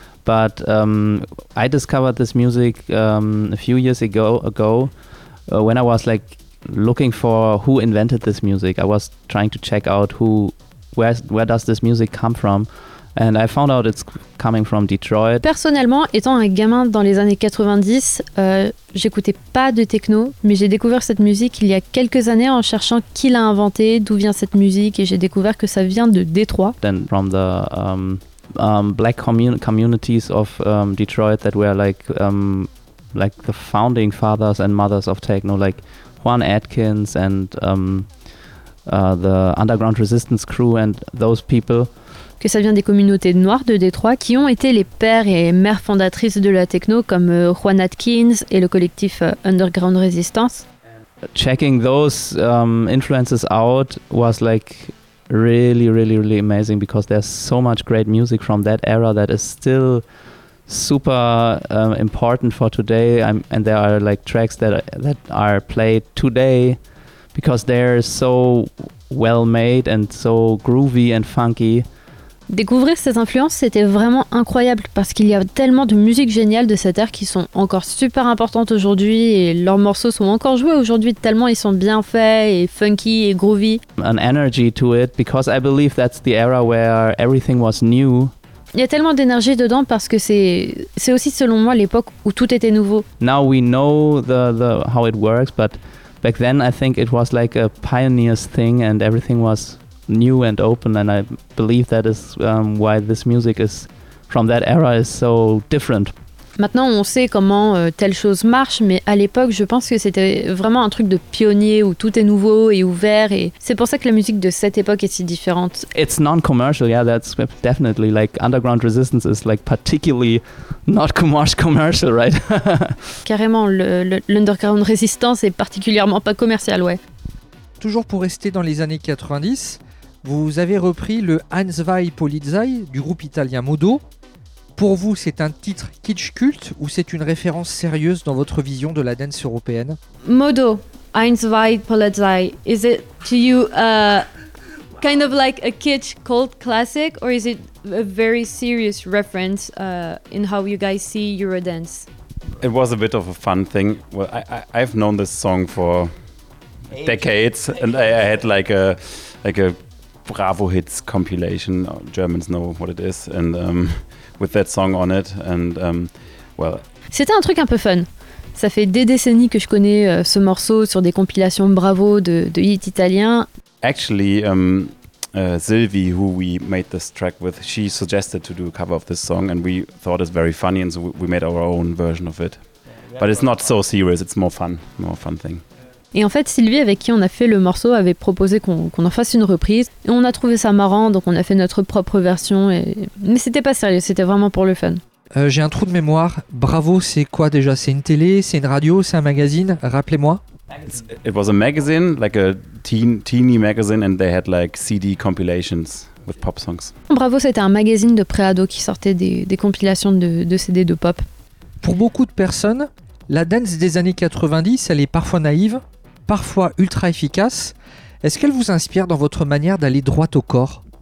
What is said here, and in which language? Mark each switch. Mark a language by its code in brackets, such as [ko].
[en] But I discovered this music a few years ago when I was like looking for who invented this music. I was trying to check out where does this music come from. And I found out it's coming from Detroit. [fr] Personnellement, étant un gamin dans les années 90, j'écoutais pas de techno, mais j'ai découvert cette musique il y a quelques années en cherchant qui l'a inventée, d'où vient cette musique, et j'ai découvert que ça vient de Détroit. [en] Then from the black communities of Detroit that were like the founding fathers and mothers of techno, like Juan Atkins and the Underground Resistance Crew and those people. [fr] Que ça vient des communautés noires de Détroit qui ont été les pères et mères fondatrices de la techno comme Juan Atkins et le collectif Underground Resistance. [en] Checking those influences out was like really, really, really amazing because there's so much great music from that era that is still super important for today. And there are like tracks that are played today because they're so well made and so groovy and funky. [fr] Découvrir ces influences, c'était vraiment incroyable parce qu'il y a tellement de musique géniale de cette ère qui sont encore super importantes aujourd'hui et leurs morceaux sont encore joués aujourd'hui tellement ils sont bien faits et funky et groovy. [en] An energy to it because I believe that's the era where everything was new. [fr] Il y a tellement d'énergie dedans parce que c'est aussi selon moi l'époque où tout était nouveau. [en] Now we know the how it works, but back then I think it was like a pioneer's thing and everything was new and open, and I believe that is why this music is from that era is so different. [fr] Maintenant, on sait comment telle chose marche, mais à l'époque, je pense que c'était vraiment un truc de pionnier où tout est nouveau et ouvert, et c'est pour ça que la musique de cette époque est si différente. [en] It's non-commercial, yeah, that's definitely like Underground Resistance is like particularly not commercial, right? [fr] Carrément, l'Underground Resistance est particulièrement pas commercial, ouais. Toujours pour rester dans les années 90, vous avez repris le Hans Vai Polizei du groupe italien Modo. Pour vous, c'est un titre kitsch culte ou c'est une référence sérieuse dans votre vision de la dance européenne? [en] Modo, Hans Vai Polizei, is it to you kind of like a kitsch cult classic or is it a very serious reference in how you guys see Eurodance? It was a bit of a fun thing. Well, I've known this song for decades, and I had like a Bravo Hits compilation. Germans know what it is, and with that song on it, and well. [fr] C'était un truc un peu fun. Ça fait des décennies que je connais ce morceau sur des compilations Bravo de hits italiens. [en] Actually, Sylvie, who we made this track with, she suggested to do a cover of this song, and we thought it's very funny, and so we made our own version of it. But it's not so serious. It's more fun thing. [fr] Et en fait, Sylvie, avec qui on a fait le morceau, avait proposé qu'on en fasse une reprise. Et on a trouvé ça marrant, donc on a fait notre propre version. Mais c'était pas sérieux, c'était vraiment pour le fun. J'ai un trou de mémoire. Bravo, c'est quoi déjà? C'est une télé? C'est une radio? C'est un magazine? Rappelez-moi. [en] It was a magazine, like a teeny magazine, and they had like CD compilations with pop songs. [fr] Bravo, c'était un magazine de pré-ado qui sortait des compilations de CD de pop. Pour beaucoup de personnes, la dance des années 90, elle est parfois naïve, parfois ultra efficace. Est-ce qu'elle vous inspire dans votre manière d'aller droit au corps?